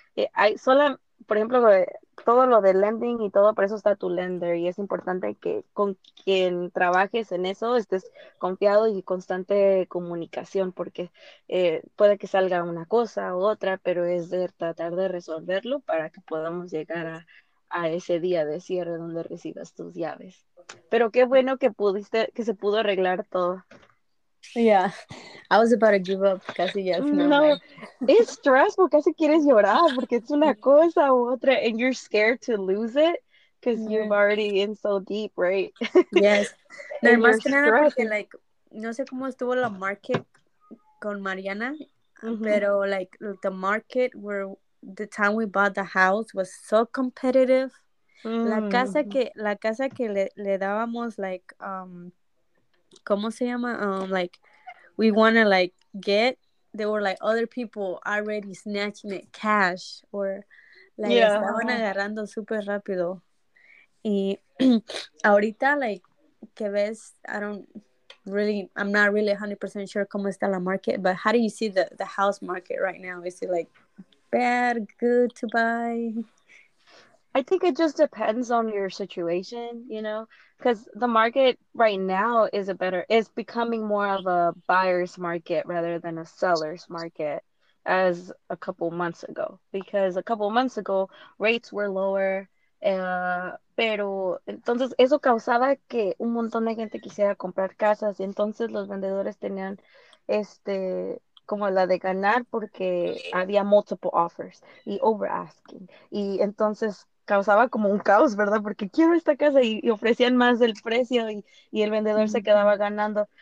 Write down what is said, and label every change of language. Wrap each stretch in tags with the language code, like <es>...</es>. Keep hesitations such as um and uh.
<es>Eh, hay, sola, por ejemplo, todo lo de lending y todo, por eso está tu lender y es importante que con quien trabajes en eso estés confiado y constante comunicación porque eh, puede que salga una cosa u otra, pero es de tratar de resolverlo para que podamos llegar a, a ese día de cierre donde recibas tus llaves. Pero qué bueno que pudiste, que se pudo arreglar todo.</es> <en>Yeah, I was about to give up</en> <es>casi ya.</es> <en>Yes, no, no it's stressful,</en> <es>casi quieres llorar porque es una cosa u otra,</es> <en>and you're scared to lose it because yeah. you're already in so deep, right? Yes.</en> <es>No, más que nada porque, like, no sé cómo estuvo la market con Mariana, mm -hmm.</es> <en>pero, like, the market where the time we bought the house was so competitive. Mm.</en> <es>La casa que, la casa que le, le dábamos, like, um, ¿cómo se llama?</es> <en>Um, like, we want to like get, they were like other people already snatching it cash or like yeah.</en> <es>estaban agarrando súper rápido. Y ahorita,</es> <en>like, que ves, I don't really, I'm not really 100% sure</en> <es>cómo está la market,</es> <en>but how do you see the, the house market right now? Is it like bad, good to buy? I think it just depends on your situation, you know, because the market right now is a better, is becoming more of a buyer's market rather than a seller's market as a couple months ago. Because a couple months ago, rates were lower.</en> <es>Uh, pero entonces eso causaba que un montón de gente quisiera comprar casas y entonces los vendedores tenían este como la de ganar porque había multiple offers y over asking y entonces causaba como un caos, ¿verdad? Porque quiero esta casa y, y ofrecían más del precio y, y el vendedor se quedaba ganando.</es>